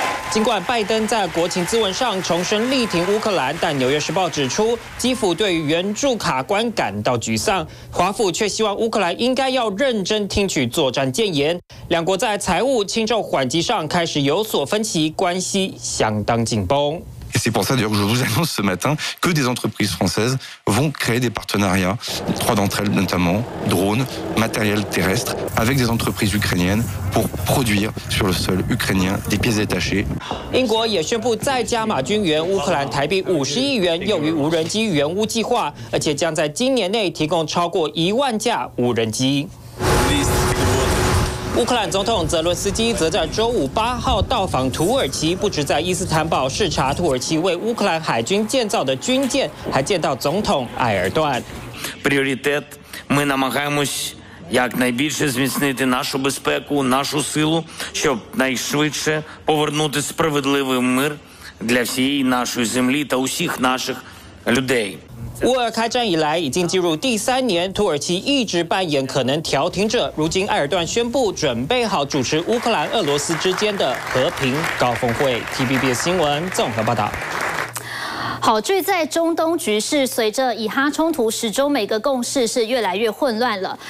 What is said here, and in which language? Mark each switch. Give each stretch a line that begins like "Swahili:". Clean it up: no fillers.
Chinese: 尽管拜登在国情咨文上重申力挺乌克兰，但纽约时报指出，基辅对于援助卡关感到沮丧，华府却希望乌克兰应该要认真听取作战谏言。两国在财务轻重缓急上开始有所分歧，关系相当紧绷。
French: Et c'est pour ça d'ailleurs que je vous annonce ce matin que des entreprises françaises vont créer des partenariats, trois d'entre elles notamment, drones, matériel terrestre, avec des entreprises ukrainiennes pour produire sur le sol ukrainien des pièces détachées.
Chinese: 英国也宣布再加码军援乌克兰台币50亿元用于无人机援乌计划，而且将在今年内提供超过10000架无人机。乌克兰总统泽伦斯基则在周五8号到访土耳其，不止在伊斯坦堡视察土耳其为乌克兰海军建造的军舰，还见到总统埃尔段。
Ukrainian: Пріоритет ми намагаємось як найбільше зміцнити нашу безпеку, нашу силу, щоб найшвидше повернути справедливий мир для всієї нашої землі та усіх наших людей。
Chinese: 乌俄开战以来已经进入第三年，土耳其一直扮演可能调停者，如今埃尔段宣布准备好主持乌克兰俄罗斯之间的和平高峰会。 TVB 新闻综合报道。好，据在中东局势随着以哈冲突，始终每个共识是越来越混乱了。